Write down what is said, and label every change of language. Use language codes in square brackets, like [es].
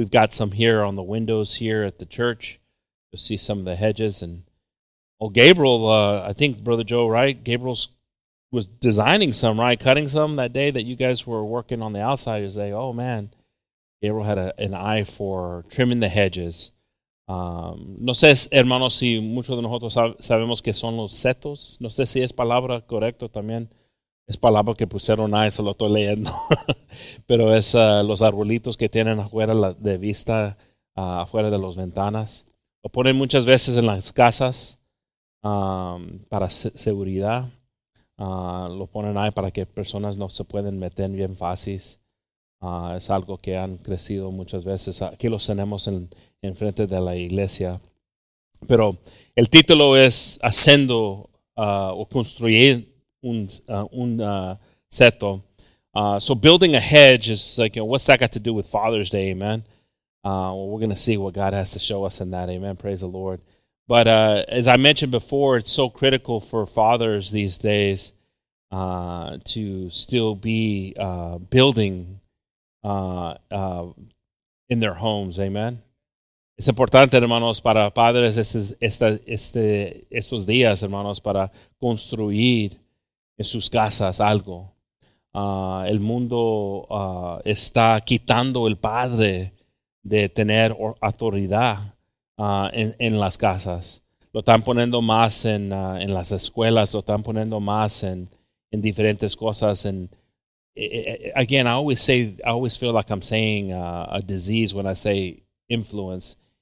[en] We've got some here on the windows here at the church. You'll see some of the hedges. And Gabriel, I think Brother Joe, right? Gabriel was designing some, right? Cutting some that day that you guys were working on the outside. You say, oh, man, Gabriel had an eye for trimming the hedges. [es] No sé, hermanos, si muchos de nosotros sabemos que son los setos. No sé si es palabra correcta también. Es palabra que pusieron ahí, se lo estoy leyendo. Pero es los arbolitos que tienen afuera de vista, afuera de las ventanas. Lo ponen muchas veces en las casas para seguridad. Lo ponen ahí para que personas no se pueden meter bien fácil. Es algo que han crecido muchas veces. Aquí los tenemos en frente de la iglesia. Pero el título es haciendo o construir un seto. [en] So building a hedge is like, you know, what's that got to do with Father's Day, amen? Well, we're going to see what God has to show us in that, amen? Praise the Lord. But as I mentioned before, it's so critical for fathers these days to still be building in their homes, amen? [es] Es importante, hermanos, para padres estos días, hermanos, para construir en sus casas algo. El mundo está quitando el padre de tener autoridad en las casas. Lo están poniendo más en las escuelas, lo están poniendo más en diferentes cosas. [en] And again, I always feel like I'm saying a disease when I say influence.